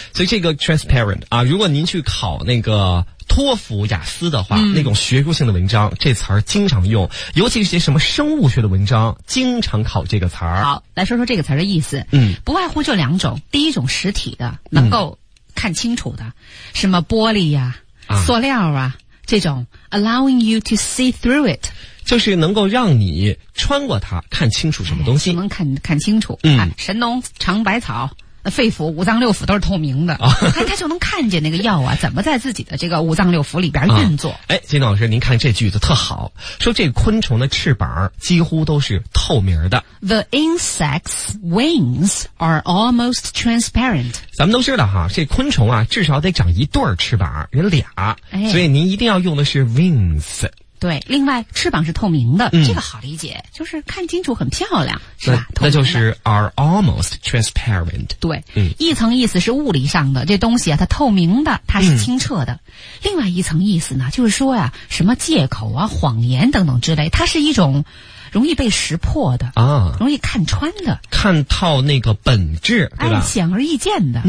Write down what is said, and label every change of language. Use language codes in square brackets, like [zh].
[zh] 所以这个 transparent 啊，如果您去考那个托福、雅思的话、嗯，那种学术性的文章，这词儿经常用，尤其是些什么生物学的文章，经常考这个词儿。好，来说说这个词儿的意思。嗯，不外乎就两种，第一种实体的，能够看清楚的，嗯、什么玻璃呀、啊、塑料啊这种 ， [en] allowing you to see through it。 [zh] 就是能够让你穿过它看清楚什么东西、哎、能看清楚、嗯、神农尝百草肺腑五脏六腑都是透明的、哦、他就能看见那个药啊怎么在自己的这个五脏六腑里边运作、哦、哎，金老师您看这句子特好，说这昆虫的翅膀几乎都是透明的。 [en] The insect's wings are almost transparent。 [zh] 咱们都知道哈，这昆虫啊至少得长一对翅膀，人俩、哎、所以您一定要用的是 wings。对，另外翅膀是透明的、嗯、这个好理解，就是看清楚很漂亮是吧？那就是 [en] are almost transparent。 [zh] 对、嗯、一层意思是物理上的，这东西啊它透明的，它是清澈的、嗯、另外一层意思呢就是说呀、啊、什么借口啊谎言等等之类，它是一种容易被识破的啊，容易看穿的，看透那个本质，对吧？显而易见的，